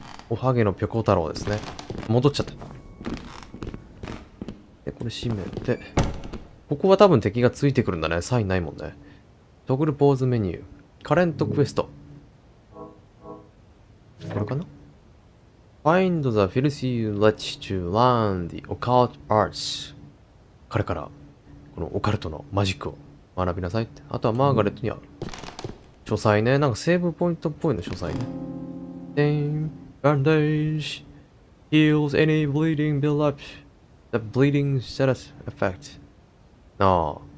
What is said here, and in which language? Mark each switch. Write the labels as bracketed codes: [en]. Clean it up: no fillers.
[ja] おはげのぴょこ太郎ですね。戻っちゃった。で、これ閉めて。ここは多分敵がついてくるんだね。サインないもんね。 [en] トグルポーズメニュー。カレントクエスト。 [ja] これかな？ [en] Find the filthy wretch to learn the occult arts. [ja] 彼からこのオカルトのマジックを学びなさいって。あとはマーガレットには書斎ね。なんかセーブポイントっぽいの書斎ね。 [en] Bandage heals any bleeding build up. The bleeding status effect. [ja] なあ。